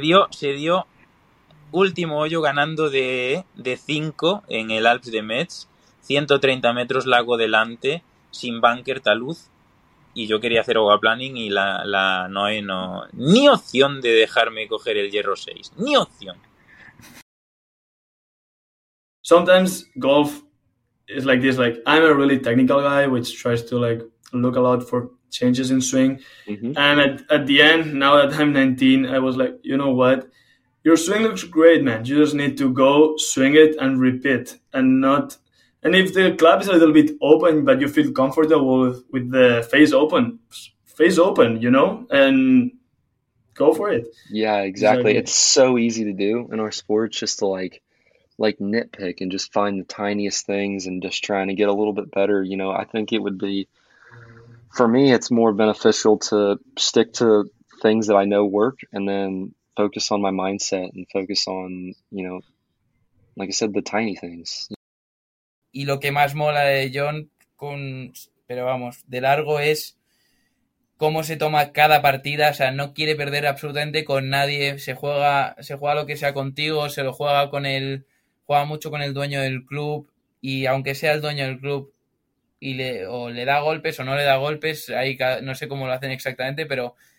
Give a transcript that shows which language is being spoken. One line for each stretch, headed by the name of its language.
Spanish: Se dio último hoyo ganando de 5 en el Alps de Metz, 130 metros lago delante, sin bunker, taluz, y yo quería hacer overplanning y la Noé no... Ni opción de dejarme coger el hierro 6, ni opción.
English: Sometimes golf is like this, like I'm a really technical guy which tries to like look a lot for changes in swing. Mm-hmm. And at the end, now that I'm 19, I was like, you know what? Your swing looks great, man. You just need to go swing it and repeat and not... And if the club is a little bit open but you feel comfortable with the face open, you know, and go for it. Yeah, exactly. It's so easy to do in our sport, just to like like nitpick and just find the tiniest things and just trying to get a little bit better, you know, I think it would be, for me, it's more beneficial to stick to things that I know work and then focus on my mindset and focus on, you know, like I said, the tiny things.
Spanish: Y lo que más mola de John, con, pero vamos, de largo, es cómo se toma cada partida. O sea, no quiere perder absolutamente con nadie. Se juega lo que sea contigo, se lo juega con él. Juega mucho con el dueño del club. Y aunque sea el dueño del club, y le da golpes o no le da golpes, ahí no sé cómo lo hacen exactamente, pero...